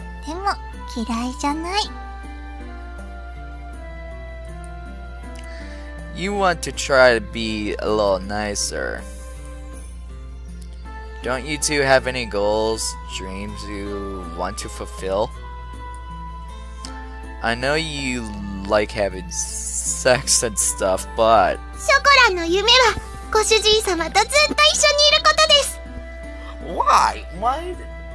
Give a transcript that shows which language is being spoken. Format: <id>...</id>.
<ja>やりたいことはたった今堪能しましたにゃ。ご主人のいやらしい誘い受け、でも嫌いじゃない。</ja> <en>You want to try to be a little nicer. Don't you two have any goals, dreams you want to fulfill? I know you like having sex and stuff, but...</en> <ja>ショコラの夢はご主人様とずっと一緒にいることです!</ja>